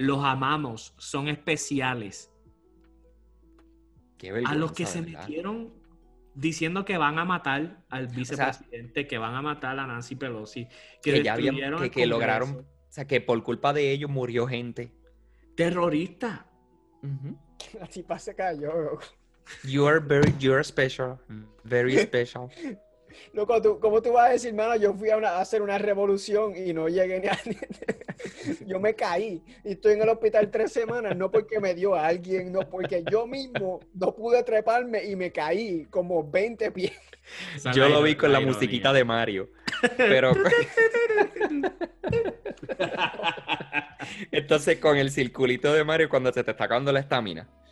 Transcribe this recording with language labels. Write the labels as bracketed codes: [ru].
[es] Los amamos, son especiales. Qué vergüenza. A los que se metieron diciendo que van a matar al vicepresidente, o sea, que van a matar a Nancy Pelosi, que ya habían, que lograron, o sea, que por culpa de ellos murió gente. Terrorista. Uh-huh. Así pase cayó. [en] You are special, very special. [es] Loco, ¿tú, cómo tú vas a decir, mano, yo fui a hacer una revolución y no llegué ni a yo me caí y estoy en el hospital 3 semanas, no porque me dio alguien, no, porque yo mismo no pude treparme y me caí como 20 pies. Yo lo vi con la musiquita de Mario, pero entonces con el circulito de Mario cuando se te está acabando la estamina.